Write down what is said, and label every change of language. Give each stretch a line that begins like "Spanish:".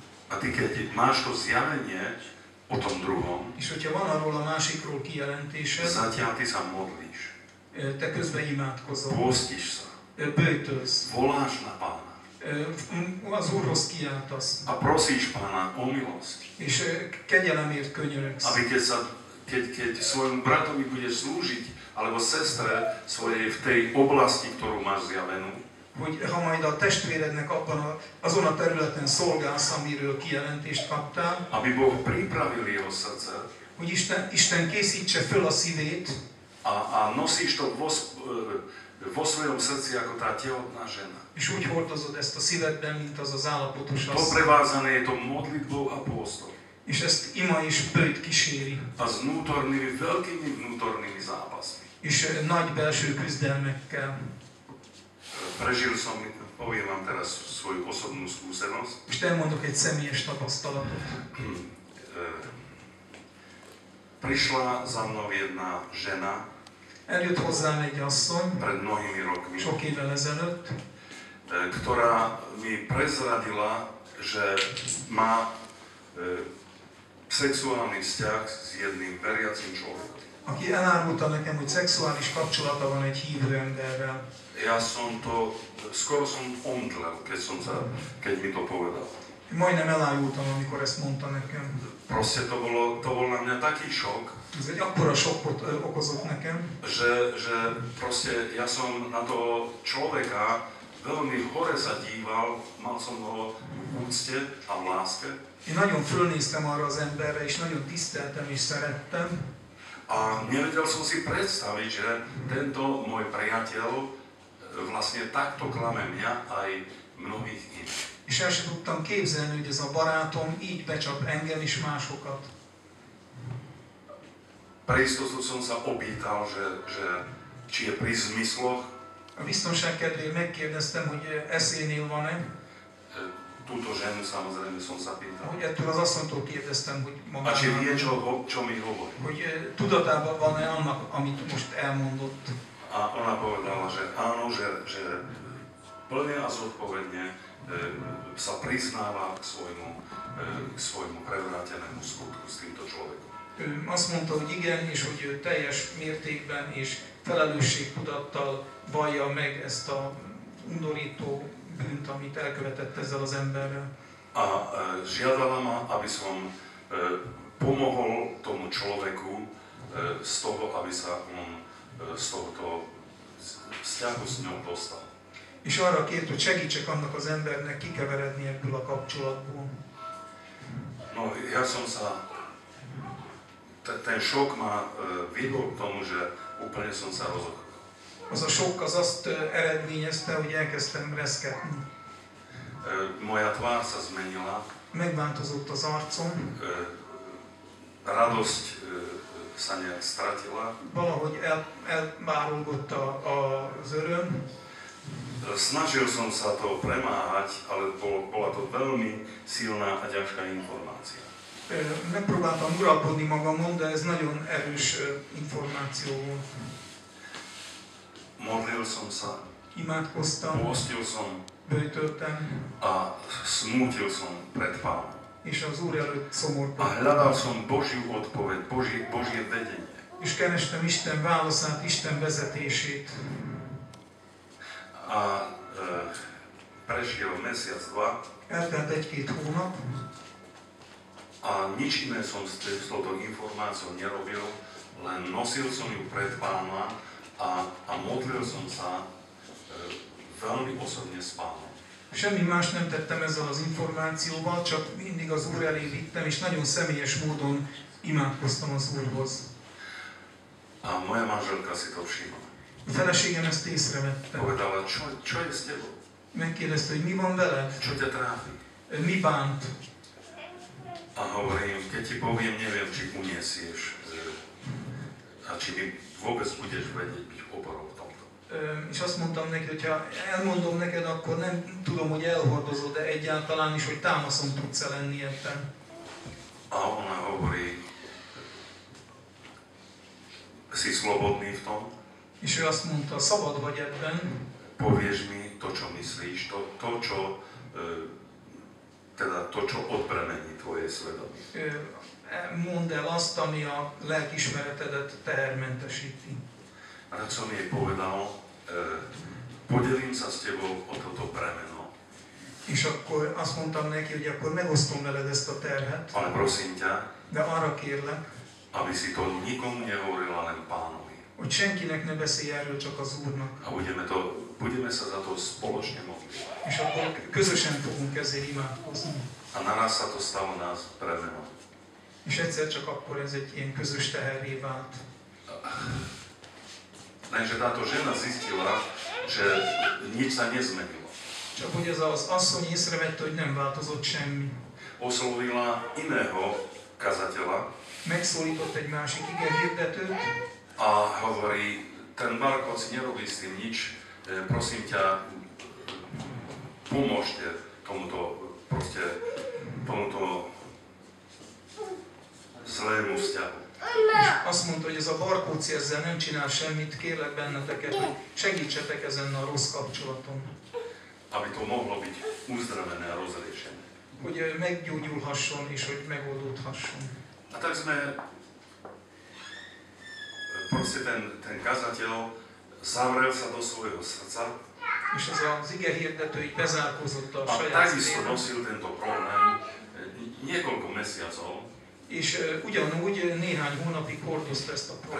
Slovak: A ty keď máš to zjavenie o tom druhom,
Hungarian: és hogyha van arról a másikról kijelentése,
Slovak: zatiaľ ty sa modlíš.
Hungarian: Te közben imádkozol.
Slovak: Pôstíš sa.
Hungarian: Böjtölsz.
Slovak: Voláš na Pána.
Hungarian: Az Úrhoz kiáltasz.
Slovak: A prosíš Pána o milosť.
Hungarian: És kegyelemért könyörögsz.
Slovak: Aby keď svojmu bratovi budeš slúžiť, alebo sestre svojej v tej oblasti, ktorú máš zjavenú.
Hungarian: Hogy ha majd a testvérednek abban azon a területen szolgálsz, amiről kijelentést kaptál.
Slovak: Aby Boh pripravil jeho srdce.
Hungarian: Hogy Isten készítse föl a szívét.
Slovak: A nosíš to vo svojom srdci ako tá tehotná žena.
Hungarian: És úgy hordozod ezt a szívedben, mint az az állapotos asszony.
Slovak: Poprevázané je to modlitbou a pôstom.
Hungarian: És ezt ima is bőjt kíséri.
Slovak: A s vnútornými, veľkými vnútornými zápasmi.
Hungarian: És nagy belső küzdelmekkel.
Slovak: Prežil som, poviem vám teraz svoju osobnú skúsenosť.
Hungarian: És te mondok egy személyes tapasztalatot.
Slovak: Prišla za mnou jedna žena.
Hungarian: Eljött hozzám egy asszony.
Slovak: Pred mnohými rokmi.
Hungarian: Sok évvel ezelőtt.
Slovak: Ktorá mi prezradila, že má sexuálny vzťah s jedným veriacím človekom.
Hungarian: Aki elárulta nekem, hogy sexuális kapcsolata van egy hívő emberrel.
Slovak: Ja som to, skoro som omdlel, keď mi to povedal.
Hungarian: Majdnem elájultam, amikor ezt mondta nekem.
Slovak: Proste to bol na mňa taký šok.
Hungarian: Ez egy akkora šokot okozott nekem.
Slovak: Že proste ja som na toho človeka veľmi hore sa díval, mal som ho v úcte a v láske.
Hungarian: Én nagyon fölnéztem arra az emberre, és nagyon tiszteltem és szerettem.
Slovak: A nevedel som si predstaviť, že tento môj priateľ vlastne takto klame mňa aj mnohých iných.
Hungarian: És el sem tudtam képzelni, hogy ez a barátom így becsap engem is másokat.
Slovak: Preistotu som sa opýtal, že či je pri zmysloch.
Hungarian: A biztonság kedvéért megkérdeztem, hogy eszénél van-e.
Slovak: Túto ženu samozrejme som sa pýtal.
Hungarian: Hogy ettől az asszonytól kérdeztem, hogy magának.
Slovak: A či vie, čo mi hovorí.
Hungarian: Hogy tudatában van-e annak, amit most elmondott.
Slovak: A ona povedala, že áno, že plne a zodpovedne sa priznáva k svojmu prevrátenému skutku s týmto človekom.
Hungarian: Azt mondta, hogy igen, és hogy teljes mértékben és felelősségtudattal vallja meg ezt a undorító bűnt, amit elkövetett ezzel az emberrel.
Slovak: A žiadala ma, aby som pomohol tomu človeku z toho, aby sa on z tohoto vzťahu s ňou dostal.
Hungarian: És arra kért, hogy segítsek annak az embernek kikeveredni ebből a kapcsolatból.
Slovak: No, ja som sa... Ten šok ma vyhol k tomu, že úplne som sa rozhodol.
Hungarian: Az a sok az azt eredményezte, hogy elkezdtem reszketni.
Slovak: Moja tvár sa zmenila.
Hungarian: Megváltozott az arcom.
Slovak: Radosť sa nejak stratila.
Hungarian: Valahogy elbárulgott az öröm.
Slovak: Snažil som sa to premáhať, ale bola to veľmi silná a ťažká informácia.
Hungarian: Megpróbáltam uralkodni magamon, de ez nagyon erős információ volt.
Slovak: Modlil som sa.
Hungarian: Imádkoztam.
Slovak: Pôstil som.
Hungarian: Bőjtöltem.
Slovak: A smútil som pred Pánom.
Hungarian: És az Úr előtt szomorkodtam.
Slovak: A hľadal som Božiu odpoveď, Božie vedenie.
Hungarian: És kerestem Isten válaszát, Isten vezetését.
Slovak: A prešiel mesiac, dva.
Hungarian: Eltelt egy-két hónap.
Slovak: A nič iné som s touto informáciou nerobil, len nosil som ju pred Pána a modlil som sa veľmi osobne s Pánom.
Hungarian: Semmi más nem tettem ezzel az információval, csak mindig az Úr elé vittem, és nagyon személyes módon imádkoztam az Úrhoz.
Slovak: A moja manželka si to všimla.
Hungarian: A feleségem ezt észrevette.
Slovak: Povedala, čo je s tebou?
Hungarian: Megkérdezte, hogy mi van veled?
Slovak: Čo te trápi?
Hungarian: Mi bánt?
Slovak: A hovorím, keď ti poviem, neviem, či uniesieš. A či mi vôbec budeš vedieť byť oporou v tomto.
Hungarian: És azt mondtam neki, hogy ha elmondom neked, akkor nem tudom, hogy elhordozod, de egyáltalán is, hogy támaszom tudsz-e lenni ebben.
Slovak: A ona hovorí, si slobodný v tom?
Hungarian: És ő azt mondta, szabad vagy ebben.
Slovak: Povieš mi to, čo myslíš, to, čo odbremeni tvoje svedomie.
Hungarian: Mondd el azt, ami a lelkismeretedet tehermentesíti.
Slovak: Hát som jej povedal, podelím sa s tebou o toto bremeno.
Hungarian: És akkor azt mondtam neki, hogy akkor megosztom veled ezt a terhet.
Slovak: Ale prosím ťa.
Hungarian: De arra kérlek.
Slovak: Aby si to nikomu nehovorila, len Pánovi.
Hungarian: Hogy senkinek ne beszélj erről, csak az Úrnak.
Slovak: A budeme sa za to spoločne modliť.
Hungarian: És akkor közösen fogunk ezért imádkozni.
Slovak: A naraz sa to stalo nás bremeno.
Hungarian: És egyszer csak akkor ez egy ilyen közös teherré vált.
Slovak: Lenže táto žena zistila, že nič sa nezmenilo.
Hungarian: Csak hogy ez az asszony észrevette, hogy nem változott semmi.
Slovak: Oszolvila iného kazateľa.
Hungarian: Megszólított egy másik igehirdetőt.
Slovak: A hovorí, ten Marko si nerobí s tým nič, prosím ťa, pomôžte tomuto, proste, tomuto zlému vzťahu.
Hungarian: Azt mondta, hogy ez a Barkóci ezzel nem csinál semmit, kérlek benneteket, hogy segítsetek ezen a rossz kapcsolaton.
Slovak: Aby to mohlo byť uzdravené a rozriešené.
Hungarian: Hogy meggyógyulhasson és hogy megoldódhasson.
Slovak: A tak sme proste ten kazateľ zavrel sa do svojho srdca.
Hungarian: És ez az igehirdető így bezárkózott a saját szívében.
Slovak: A takisto nosil tento problém niekoľko mesiacov.
Hungarian: És ugyanúgy néhány hónapig hordozta ezt a problémát.